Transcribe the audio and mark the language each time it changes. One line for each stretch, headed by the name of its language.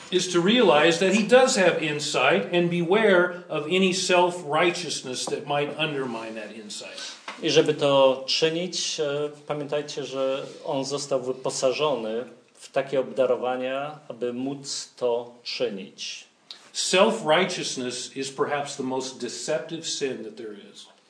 English: Is to realize that he does have insight and beware of any self-righteousness that might undermine that insight.
Polish: I żeby to czynić, pamiętajcie, że on został wyposażony w takie obdarowania, aby móc to czynić.
English: Self-righteousness is perhaps the most deceptive sin that there is.